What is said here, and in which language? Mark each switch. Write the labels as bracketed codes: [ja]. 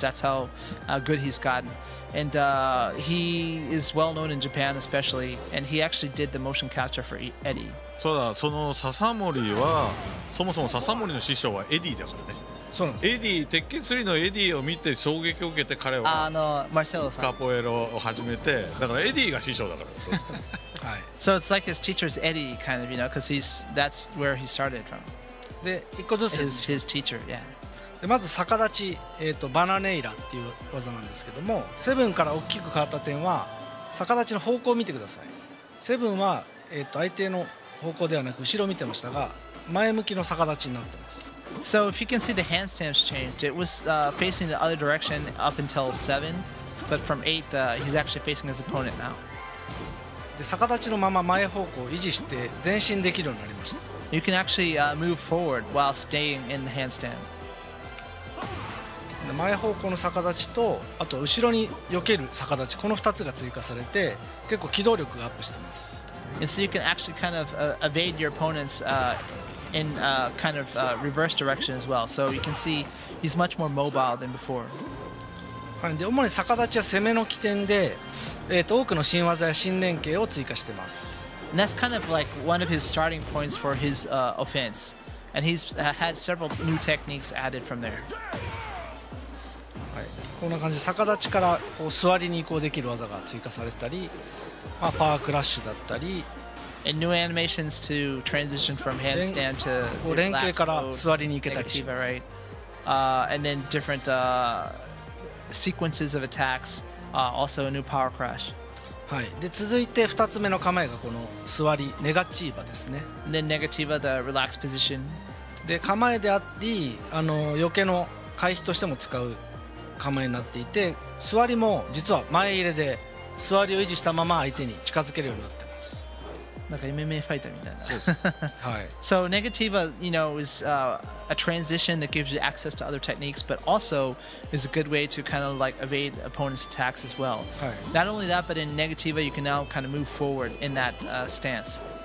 [en] That's how good he's gotten. And he is well known in Japan especially, and he actually did the motion capture for Eddie. [ja] そうだ、その笹森は、そもそも笹森の師匠はエディだからね。そうなんです。エディ、鉄拳3のエディを見て衝撃を受けて彼はマルセロさん。カポエロを始めて、だからエディが師匠だから。はい。 [en] So it's like his teacher's Eddie kind of, you know, because he's, that's where he started from. [ja] で、一個ずつ。 [en] His teacher, yeah. [ja] でまず逆立ち、バナネイラっていう技なんですけども、セブンから大きく変わった点は逆立ちの方向を見てください。セブンは、相手の方向ではなく後ろを見てましたが、前向きの逆立ちになってます。 [en] So if you can see the handstands changed, it was、facing the other direction up until 7, but from 8,、he's actually facing his opponent now. [ja] で逆立ちのまま前方向を維持して前進できるようになりました。 [en] You can actually、move forward while staying in the handstand. [ja] 前方向の逆立ちとあと後ろに避ける逆立ち、この2つが追加されて結構機動力がアップしてます。 [en] And so you can actually kind of evade your opponents in kind of reverse direction as well. So you can see he's much more mobile than before. [ja] はい、で主に逆立ちは攻めの起点で、多くの新技や新連携を追加してます。 [en] And that's kind of like one of his starting points for his offense. And he's had several new techniques added from there. [ja] こんな感じ、逆立ちからこう座りに移行できる技が追加されたり、まあ、パワークラッシュだったり、 [en] And new animations to transition from handstand to [ja] こう連携から座りに行けたりします [en] 。 Right? And then different sequences of attacks, also a new power crash. [ja] はい。で続いて2つ目の構えがこの座りネガチーバですね。 [en] And then negativa, the relaxed position. [ja] で構えであり、あの避けの回避としても使う。構えになっていて、座りも実は前入れで座りを維持したまま相手に近づけるようになってます。なんか MMA ファイターみたいな。そうはい。 [en] So negativa, you know, is a transition that gives you access to other techniques, but also is a good way to kind of like evade opponent's attacks as well. [ja] はい。 [en] Not only that, but in negativa, you can now kind of move forward in that stance.